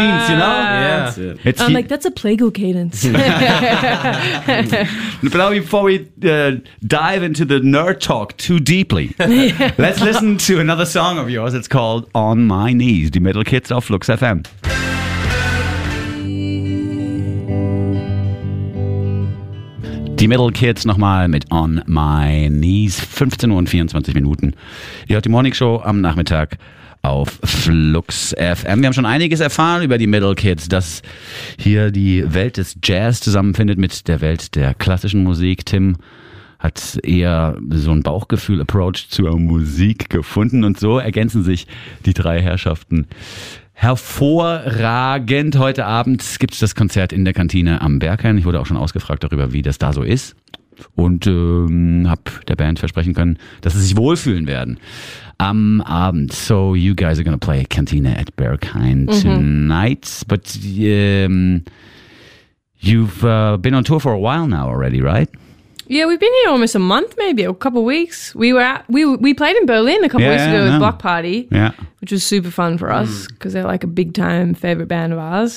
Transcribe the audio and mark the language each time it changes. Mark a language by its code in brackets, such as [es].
[en] You know? I'm like, that's a Plagal cadence. But now, before we dive into the nerd talk too deeply, let's listen to another song of yours. It's called On My Knees, the metal kids of Lux FM. [de] Die Metal Kids nochmal mit On My Knees, 15 Uhr und 24 Minuten. Ihr hört die Morning Show am Nachmittag auf Flux FM. Wir haben schon einiges erfahren über die Metal Kids, dass hier die Welt des Jazz zusammenfindet mit der Welt der klassischen Musik. Tim hat eher so ein Bauchgefühl-Approach zur Musik gefunden und so ergänzen sich die drei Herrschaften hervorragend. Heute Abend gibt es das Konzert in der Kantine am Berghain. Ich wurde auch schon ausgefragt darüber, wie das da so ist. Und habe der Band versprechen können, dass sie sich wohlfühlen werden am Abend. [en] So you guys are going to play Cantina at Berghain tonight. But you've been on tour for a while now already, right? Yeah, we've been here almost a month, maybe a couple of weeks. We played in Berlin a couple weeks ago with Block Party, which was super fun for us because they're like a big time favorite band of ours.